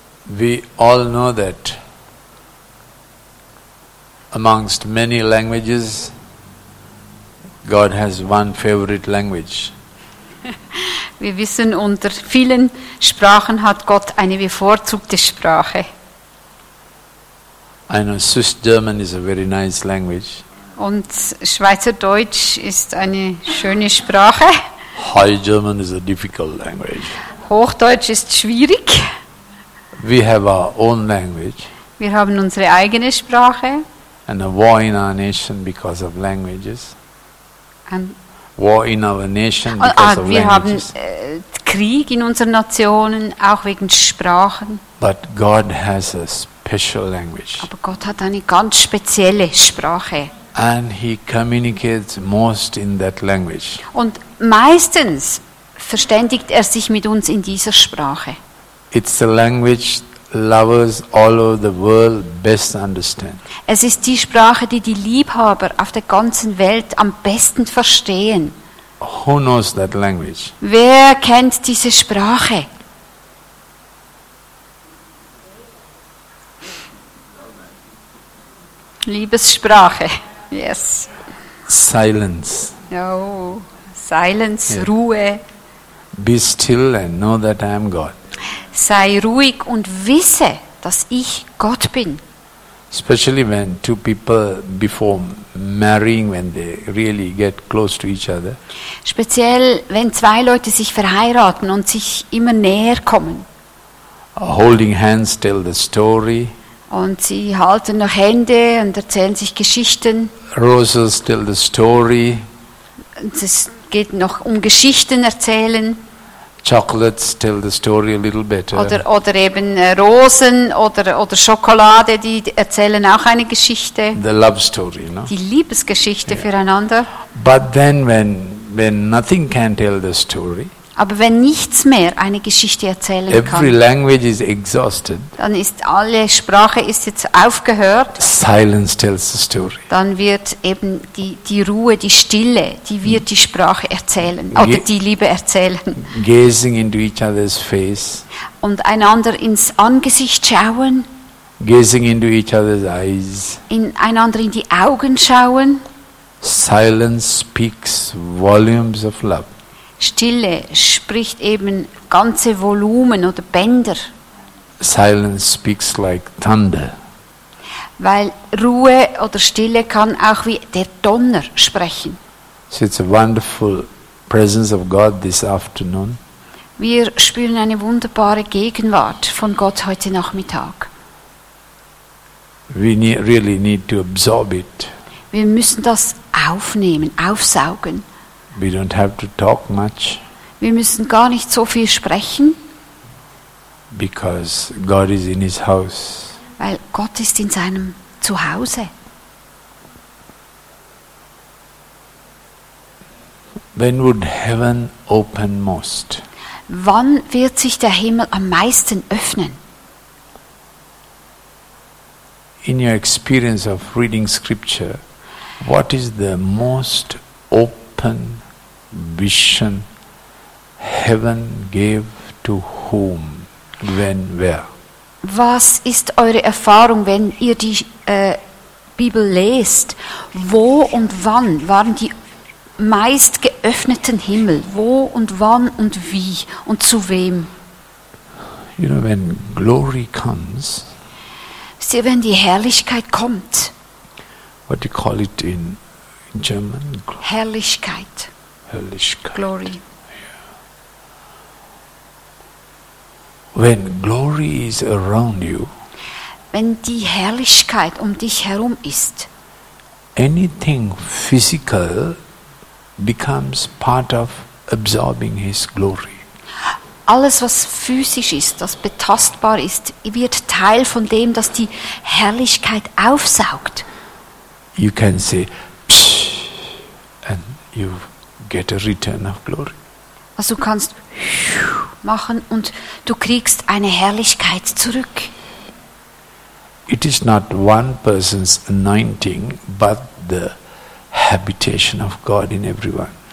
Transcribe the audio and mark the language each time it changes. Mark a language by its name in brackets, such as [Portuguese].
[English] We all know that amongst many languages, God has one favorite language. [German] Wir wissen, unter vielen Sprachen hat Gott eine bevorzugte Sprache. [English] I know Swiss German is a very nice language. [German] Und Schweizerdeutsch ist eine schöne Sprache. [English] High German is a difficult language. [German] Hochdeutsch ist schwierig. [English] We have our own language. [German] Wir haben unsere eigene Sprache. [English] And a war in our nation because of languages. And war in our nation because of languages. [German] Wir haben Krieg in unseren Nationen auch wegen Sprachen. [English] But God has a special language. [German] Aber Gott hat eine ganz spezielle Sprache. [English] And he communicates most in that language. [German] Und meistens verständigt er sich mit uns in dieser Sprache. [English] It's the language lovers all over the world best understand. [German] Es ist die Sprache, die die Liebhaber auf der ganzen Welt am besten verstehen. [English] Who knows that language? [German] Wer kennt diese Sprache? Liebessprache. Yes. [English] Silence. Oh, silence, yeah. [German] Ruhe. [English] Be still and know that I am God. [German] Sei ruhig und wisse, dass ich Gott bin. [English] Especially when two people before marrying, when they really get close to each other. [German] Speziell wenn zwei Leute sich verheiraten und sich immer näher kommen. [English] Holding hands tell the story. [German] Und sie halten noch Hände und erzählen sich Geschichten. [English] Roses tell the story. [German] Es geht noch um Geschichten erzählen. [English] Chocolates tell the story a little better. [German] Oder eben Rosen oder Schokolade, die erzählen auch eine Geschichte. [English] The love story, no? [German] Die Liebesgeschichte, yeah, füreinander. [English] But then when nothing can tell the story. [German] Aber wenn nichts mehr eine Geschichte erzählen kann. [English] Every language is exhausted. [German] Dann ist alle Sprache ist jetzt aufgehört. [English] Silence tells the story. [German] Dann wird eben die Ruhe, die Stille, die wird die Sprache erzählen oder die Liebe erzählen. [English] Gazing into each other's face. [German] Und einander ins Angesicht schauen. [English] Gazing into each other's eyes. [German] In einander in die Augen schauen. [English] Silence speaks volumes of love. [German] Stille spricht eben ganze Volumen oder Bänder. [English] Silence speaks like thunder. [German] Weil Ruhe oder Stille kann auch wie der Donner sprechen. [English] So it's a wonderful presence of God this afternoon. [German] Wir spüren eine wunderbare Gegenwart von Gott heute Nachmittag. [English] We really need to absorb it. [German] Wir müssen das aufnehmen, aufsaugen. [English] We don't have to talk much. [German] Wir müssen gar nicht so viel sprechen. [English] Because God is in his house. [German] Weil Gott ist in seinem Zuhause. [English] When would heaven open most? [German] Wann wird sich der Himmel am meisten öffnen? [English] In your experience of reading scripture, what is the most open vision heaven gave to whom, when, where? [German] Was ist eure Erfahrung, wenn ihr die Bibel lest? Wo und wann waren die meist geöffneten Himmel? Wo und wann und wie und zu wem? [English] You know, when glory comes, [German] wisst ihr, wenn die Herrlichkeit kommt, [English] what do you call it in German? [German] Herrlichkeit. Glory. [English] When glory is around you, [German] wenn die Herrlichkeit um dich herum ist, [English] anything physical becomes part of absorbing his glory. [German] Alles, was physisch ist, das betastbar ist, wird Teil von dem, das die Herrlichkeit aufsaugt. [English] You can say, psh, and you get a return of glory. [German] Also du kannst machen und du kriegst eine Herrlichkeit zurück. [English] It is not one person's anointing, but the habitation of God in everyone.